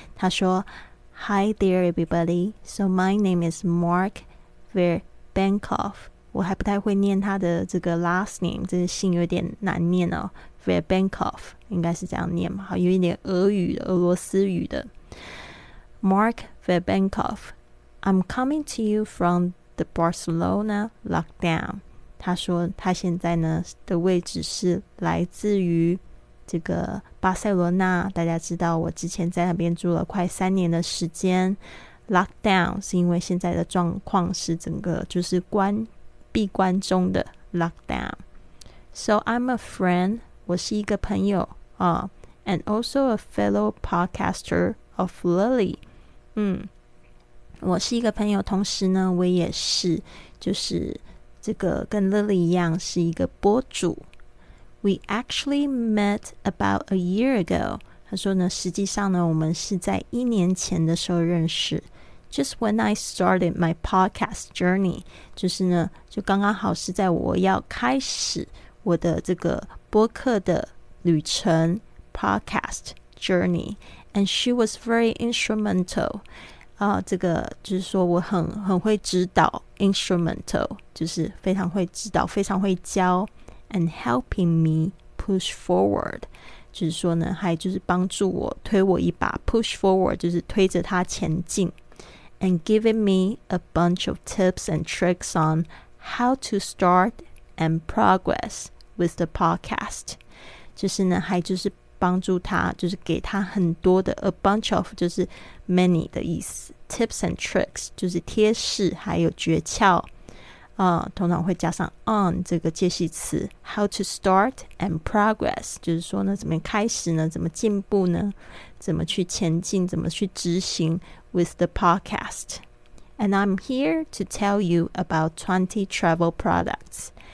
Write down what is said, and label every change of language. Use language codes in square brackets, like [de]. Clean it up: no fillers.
[zh] 他说 [en] ,Hi there everybody, so my name is Mark Verbenkov. [zh] 我还不太会念他的这个 last name, 这个姓有点难念哦。 Verbenkov 应该是这样念嘛，好，有一点俄语的，俄罗斯语的。 [en] Mark Verbenkov, I'm coming to you from the Barcelona lockdown. [zh] 他说他现在呢的位置是来自于这个巴塞罗那。大家知道我之前在那边住了快三年的时间。 Lockdown 是因为现在的状况是整个就是闭关中的 lockdown. [en] So I'm a friend. [zh] 我是一个朋友啊、 [en] and also a fellow podcaster of Lily. [zh] 我是一个朋友，同时呢，我也是就是这个跟 Lily 一样是一个播主。 [en] We actually met about a year ago. [zh] 他说呢，实际上呢，我们是在一年前的时候认识。 [en] Just when I started my podcast journey, [zh] 就是呢，就刚刚好是在我要开始我的这个播客的旅程 podcast journey, [en] and she was very instrumental. [zh] 这个就是说我很会指导 instrumental, 就是非常会指导，非常会教 [en] and helping me push forward. [zh] 就是说呢，还就是帮助我推我一把 push forward, 就是推着它前进 [en] and giving me a bunch of tips and tricks on how to start and progress. With the podcast, [zh] 就是呢，还就是帮助他，就是给他很多的 [en] a bunch of [zh] 就是 many 的意思 ， [en] tips and tricks [zh] 就是贴士还有诀窍，通常会加上 on 这个介系词 ， [en] how to start and progress [zh] 就是说呢，怎么开始呢，怎么进步呢，怎么去前进，怎么去执行 [en] with the podcast, and I'm here to tell you about 20 travel products.